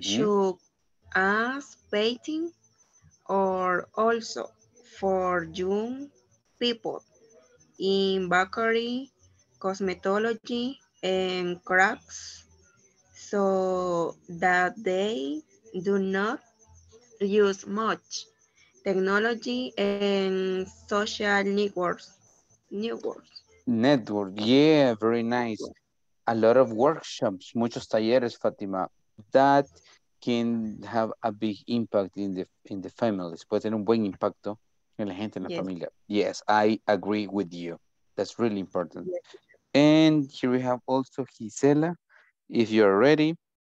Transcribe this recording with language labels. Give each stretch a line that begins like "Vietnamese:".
English: Should ask painting or also for young people in bakery, cosmetology, and crafts so that they do not use much technology and social networks. Network, yeah, very nice. A lot of workshops,
Spanish: muchos talleres,
English: Fatima. That can have a big impact in the families.
Spanish: Puede tener un buen impacto en la gente, en la familia.
English: Yes, I agree with you. That's really important. Yes. And here we have also Gisela, if you're ready.